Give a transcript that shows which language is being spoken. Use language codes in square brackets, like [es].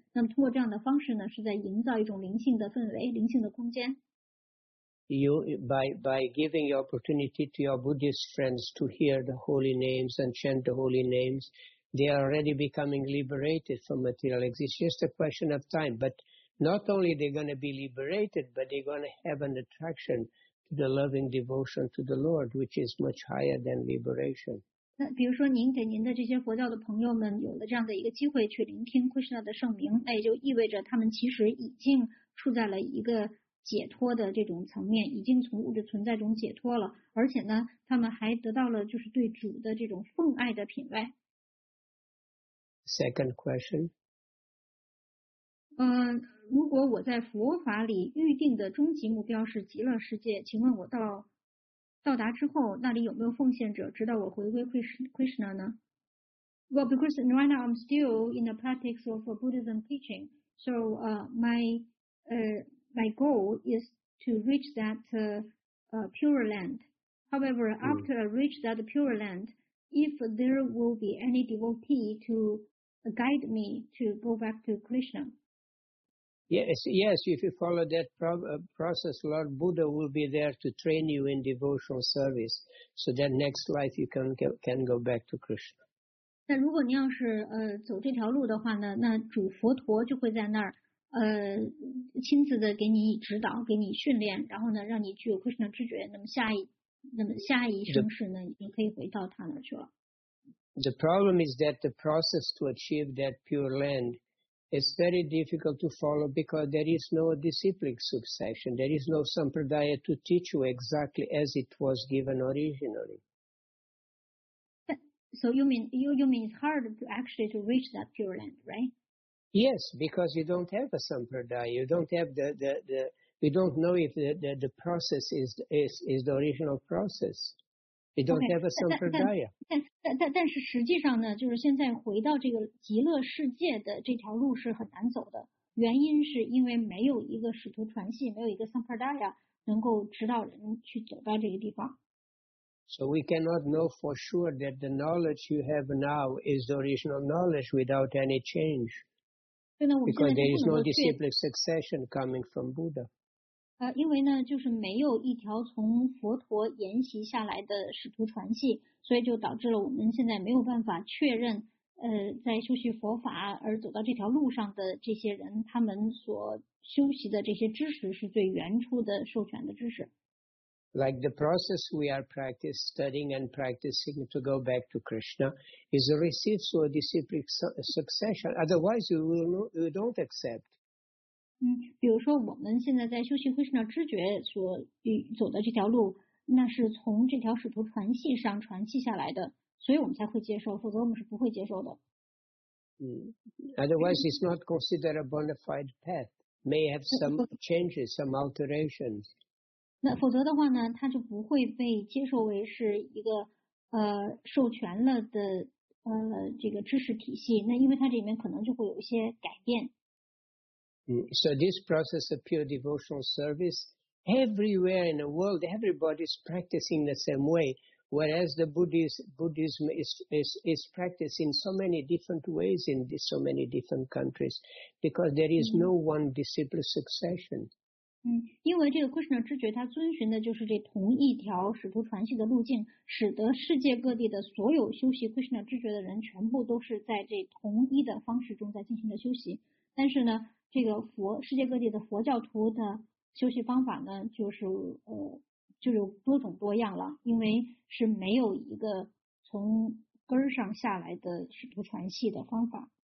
[zh] 那么通过这样的方式呢，是在营造一种灵性的氛围，灵性的空间。 [en] You by giving the opportunity to your Buddhist friends to hear the holy names and chant the holy names. They are already becoming liberated from material existence. It's just a question of time. But not only are they going to be liberated, but they're going to have an attraction to the loving devotion to the Lord, which is much higher than liberation. [zh] 那比如说您给您的这些佛教的朋友们有了这样的一个机会去聆听 Krishna 的圣名，那也就意味着他们其实已经处在了一个解脱的这种层面，已经从物质存在中解脱了，而且呢，他们还得到了就是对主的这种奉爱的品味。 [en] Second question. [zh] 如果我在佛法里预定的终极目标是极乐世界，请问我到达之后，那里有没有奉献者直到我回归 Krishna 呢？ [en] Well, because right now I'm still in the practice of Buddhism teaching, so my goal is to reach that pure land. However, after I reach that pure land, if there will be any devotee toguide me to go back to Krishna. Yes, if you follow that process, Lord Buddha will be there to train you in devotional service, so that next life you can go back to Krishna. [zh] 那如果你要是走这条路的话呢，那主佛陀就会在那儿亲自的给你指导，给你训练，然后呢让你具有 Krishna 知觉，那么下一生世呢，你可以回到他那儿去了。 [en] The problem is that the process to achieve that pure land is very difficult to follow because there is no disciplic succession. There is no sampradaya to teach you exactly as it was given originally. So you mean it's hard to actually to reach that pure land, right? Yes, because you don't have a sampradaya. You don't have the We don't know if the process is the original process. We don't okay, have a sampradaya. [zh] 但是实际上呢，就是现在回到这个极乐世界的这条路是很难走的，原因是因为没有一个使徒传系，没有一个 sampradaya 能够指导人去走到这个地方。 [en] So we cannot know for sure that the knowledge you have now is the original knowledge without any change. Because there is no disciplic succession coming from Buddha. [zh] 因为呢，就是没有一条从佛陀沿袭下来的使徒传系，所以就导致了我们现在没有办法确认，在修习佛法而走到这条路上的这些人，他们所修习的这些知识是最原初的授权的知识。 [en] Like the process we are practicing, studying and practicing to go back to Krishna is a receipt for disciplic succession. Otherwise, you don't accept. [zh] 比如说我们现在在修习 Krishna 知觉所走的这条路，那是从这条使徒传系上传系下来的，所以我们才会接受，否则我们是不会接受的。 [en] Otherwise, it's not considered a bona fide path. May have some changes, some alterations. [zh] 那否则的话呢，他就不会被接受为是一个授权了的这个知识体系。那因为他这里面可能就会有一些改变。 [en] So this process of pure devotional service, everywhere in the world, everybody is practicing the same way, whereas the Buddhism is practiced in so many different ways in so many different countries, because there is no one disciple succession. [zh] 因为这个 Krishna 知觉它遵循的就是这同一条使徒传系的路径，使得世界各地的所有修习 Krishna 知觉的人全部都是在这同一的方式中在进行的修习。但是呢，这个世界各地的佛教徒的修习方法呢，就有多种多样了，因为是没有一个从根上下来的使徒传系的方法。